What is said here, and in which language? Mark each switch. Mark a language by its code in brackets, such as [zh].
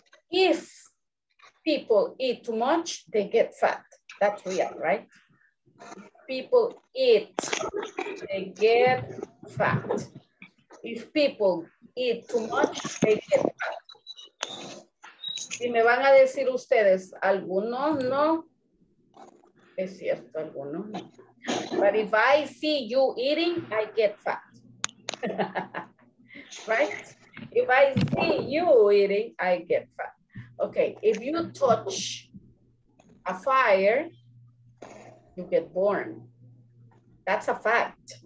[en] If people eat too much, they get fat. That's real, right? People eat, they get fat. If people eat too much, they get fat. [es] Y me van a decir ustedes, algunos no. Es cierto, algunos no. [en] But if I see you eating, I get fat. Right? If I see you eating, I get fat. Okay, if you touch a fire, you get burned. That's a fact.